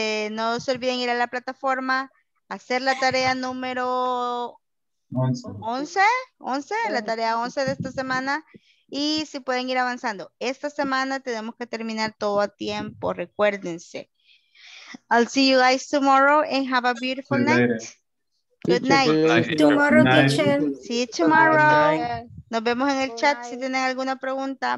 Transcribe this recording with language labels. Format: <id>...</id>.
<es>No se olviden ir a la plataforma, hacer la tarea número 11. La tarea 11 de esta semana. Y si pueden ir avanzando. Esta semana tenemos que terminar todo a tiempo. Recuérdense.</es> <en>I'll see you guys tomorrow and have a beautiful night. Good night. Tomorrow, teacher. See you tomorrow.</en> <es>Nos vemos en el chat si tienen alguna pregunta.</es>